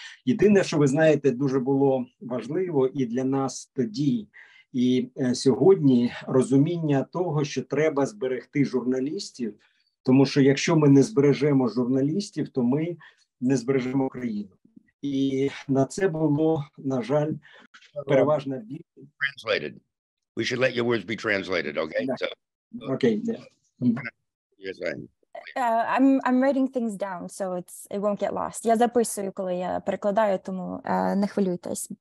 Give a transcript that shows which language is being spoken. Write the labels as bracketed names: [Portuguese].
[Ukrainian] Єдине, що ви знаєте, дуже було важливо і для нас тоді, і сьогодні розуміння того, що треба зберегти журналістів, тому що якщо ми не збережемо журналістів, то ми не збережемо країну. І на це було, на жаль, переважна більшість. [English] Translated. We should let your words be translated, okay? Yeah. So, okay. Yeah. Yes, I'm writing things down, so it won't get lost. [Ukrainian] Я записую, коли я перекладаю, тому не хвилюйтесь.